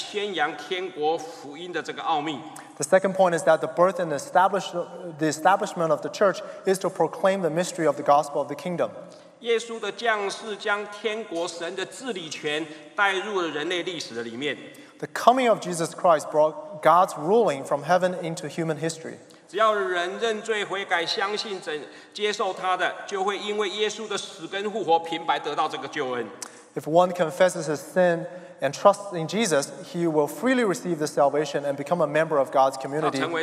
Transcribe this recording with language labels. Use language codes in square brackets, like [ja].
[zh] 第二，耶稣在这里告诉我们，教会被建立来承接基督使命，来宣扬天国福音的这个奥秘。 [en] The second point is that the birth and the establishment of the church is to proclaim the mystery of the gospel of the kingdom. The coming of Jesus Christ brought God's ruling from heaven into human history. [zh] 只要人认罪悔改，相信接受他的，就会因为耶稣的死跟复活，平白得到这个救恩。 [en] If one confesses his sin and trust in Jesus, he will freely receive the salvation and become a member of God's community.